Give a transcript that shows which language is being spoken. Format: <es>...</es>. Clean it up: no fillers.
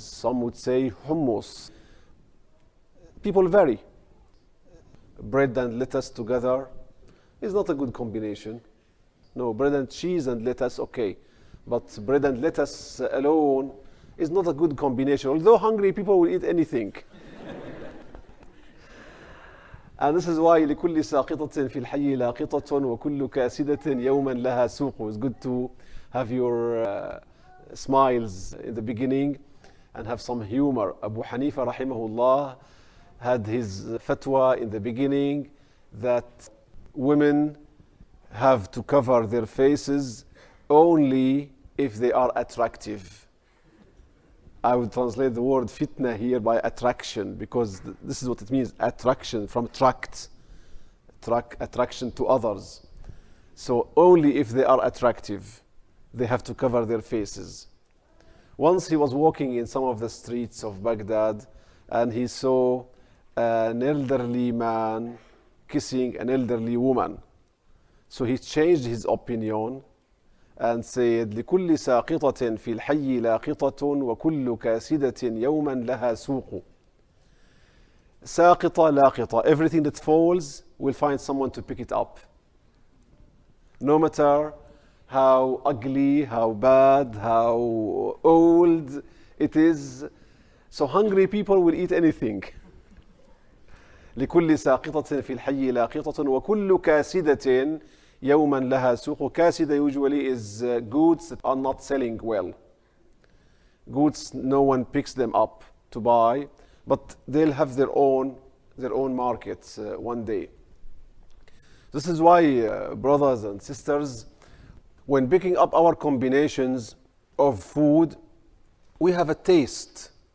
<en>Some would say hummus. People vary. Bread and lettuce together is not a good combination. No, bread and cheese and lettuce, okay. But bread and lettuce alone is not a good combination. Although hungry, people will eat anything. And this is why</en> <ar>لكل ساقطة في الحي لاقطة وكل كاسدة يوما لها سوق.</ar> <en>It's good to have your smiles in the beginning and have some humor. Abu Hanifa رحمه الله had his fatwa in the beginning that women have to cover their faces only if they are attractive. I would translate the word fitna here by attraction, because this is what it means, attraction, from attraction to others. So only if they are attractive, they have to cover their faces. Once he was walking in some of the streets of Baghdad, and he saw an elderly man kissing an elderly woman. So he changed his opinion and said,</en> <ar>لكل ساقطة في الحي لاقطة وكل كاسدة يوما لها سوق. ساقطة لاقطة.</ar> <en>Everything that falls will find someone to pick it up. No matter how ugly, how bad, how old it is. So hungry people will eat anything.</en> <ar>لكل ساقطة في الحي لاقطة وكل كاسدة يَوْمًا لَهَا سُوقُ.</ar> <en>كَاسِدَ usually is goods that are not selling well. Goods, no one picks them up to buy, but they'll have their own market one day. This is why, brothers and sisters, when picking up our combinations of food, we have a taste.</en>